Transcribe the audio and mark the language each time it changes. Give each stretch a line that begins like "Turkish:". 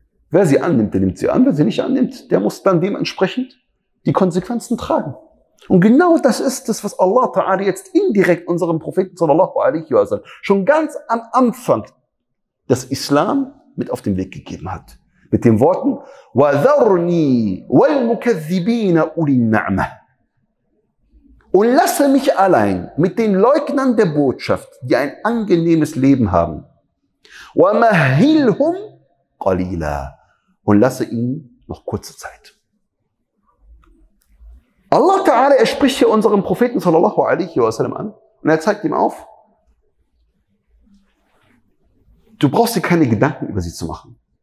German: Wer sie annimmt, der nimmt sie an. Wer sie nicht annimmt, der muss dann dementsprechend die Konsequenzen tragen. Und genau das ist es, was Allah Ta'ala jetzt indirekt unserem Propheten sallallahu alaihi wa sallam schon ganz am Anfang des Islam mit auf den Weg gegeben hat. Mit den Worten,
Arabic: وَذَرْنِي وَالْمُكَذِّبِينَ أُولِي النَّعْمَةِ.
German: Und lasse mich allein mit den Leugnern der Botschaft, die ein angenehmes Leben haben.
Arabic: وَمَهِلْهُمْ قَلِيلًا.
German: Und lasse ihnen noch kurze Zeit. Allah Ta'ala, er spricht hier unserem Propheten sallallahu alaihi wa sallam an und er zeigt ihm auf, du brauchst dir keine Gedanken über sie zu machen.